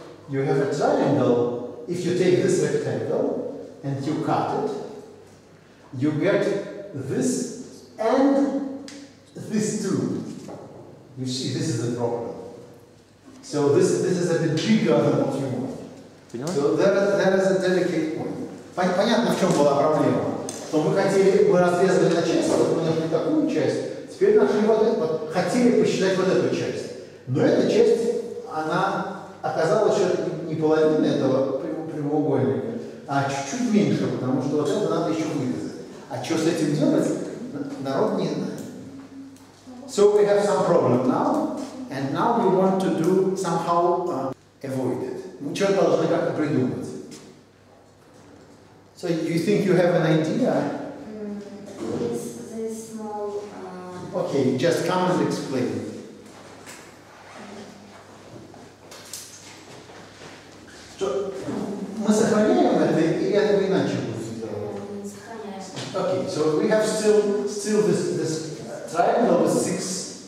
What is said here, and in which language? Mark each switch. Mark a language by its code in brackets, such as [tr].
[en] You have a triangle, if you take this rectangle and you cut it, you get this and this too. You see, this is the problem. So this is a bit bigger than what you want. So there is a delicate point. [ru] Понятно, в чем была проблема. Но мы разрезали на часть, вот мы нашли такую часть. Теперь нашли вот эту, хотели посчитать вот эту часть. Но эта часть, она оказалась, что не половина этого прямоугольника, а чуть-чуть меньше, потому что вот это надо еще вырезать. А что с этим делать, народ не знает. [en] So we have some problem now, and now we want to do somehow avoid it. [ru] Мы что-то должны как-то придумать. [en] So you think you have an idea? This small... Okay, just come and explain. [ru] Мы сохраняем это, и это иначе будет. Сохраняем. [en] Okay, so we have still this triangle with 6.